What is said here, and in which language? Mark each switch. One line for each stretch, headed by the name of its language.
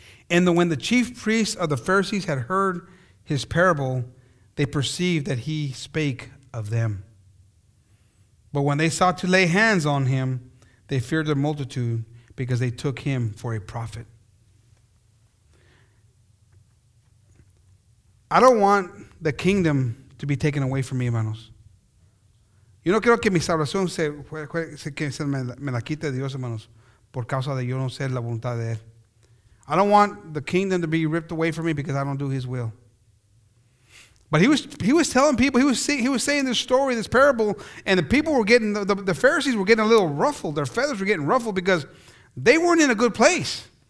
English: And when the chief priests of the Pharisees had heard his parable, they perceived that he spake of them. But when they sought to lay hands on him, they feared the multitude because they took him for a prophet. I don't want the kingdom to be taken away from me, hermanos.
Spanish: Yo no quiero que mi salvación se me la quite Dios, hermanos, por causa de yo no ser la voluntad de él.
English: I don't want the kingdom to be ripped away from me because I don't do his will. But he was telling people, he was saying this story, this parable, and the people were getting, the Pharisees were getting a little ruffled. Their feathers were getting ruffled because they weren't in a good place.